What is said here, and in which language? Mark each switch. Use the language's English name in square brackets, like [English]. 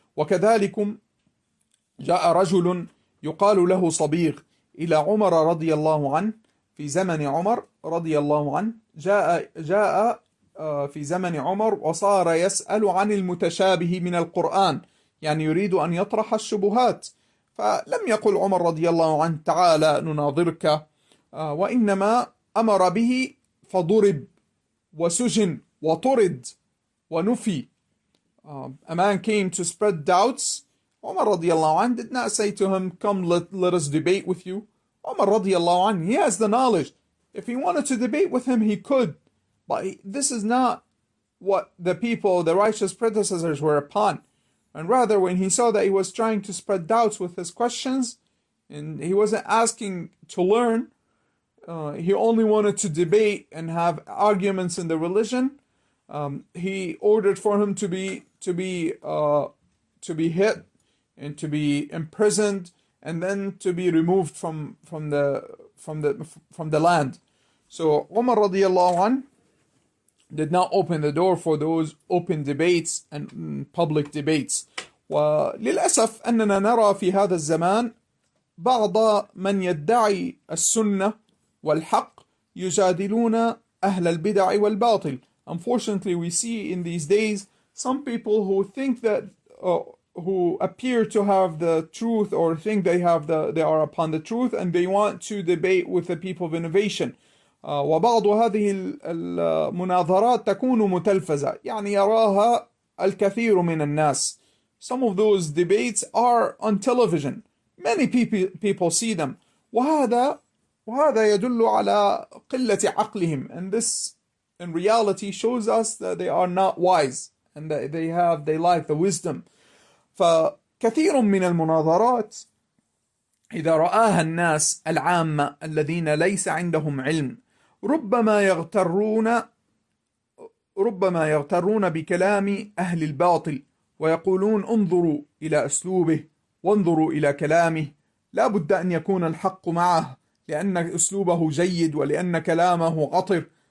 [Arabic] وَكَذَلِكُمْ جَاءَ رَجُلٌ يُقَالُ لَهُ صَبِيغٌ إلى عمر رضي الله عنه في زمن عمر رضي الله عنه جاء في زمن عمر وصار يسأل عن المتشابه من القرآن يعني يريد أن يطرح الشبهات فلم يقل عمر رضي الله عنه تعالى نناظرك وإنما أمر به فضرب وسجن وطرد ونفي [English] A man came to spread doubts Umar radiallahu anhu did not say to him, come let us debate with you. Umar radiallahu anhu, he has the knowledge. If he wanted to debate with him, he could. But this is not what the people, the righteous predecessors were upon. And rather, when he saw that he was trying to spread doubts with his questions, and he wasn't asking to learn, he only wanted to debate and have arguments in the religion, he ordered for him to be hit, and to be imprisoned, and then to be removed from the land. So Umar radiallahu anh did not open the door for those open debates and public debates. [Arabic] وللأسف أننا نرى في هذا الزمان بعض من يدعي السنة والحق يجادلون أهل البدع والباطل. [English] Unfortunately, we see in these days some people who think that who appear to have the truth or think they are upon the truth and they want to debate with the people of innovation. [Arabic] وبعض هذه المناظرات تكون متلفزة يعني يراها الكثير من الناس. [English] Some of those debates are on television. Many people see them. [Arabic] وهذا يدل على قلة عقلهم. [English] And this in reality shows us that they are not wise and that they lack the wisdom. [Arabic] فكثير من المناظرات إذا رآها الناس العامة الذين ليس عندهم علم ربما يغترون بكلام أهل الباطل ويقولون انظروا إلى أسلوبه وانظروا إلى كلامه لا بد أن يكون الحق معه لأن أسلوبه جيد ولأن كلامه عطر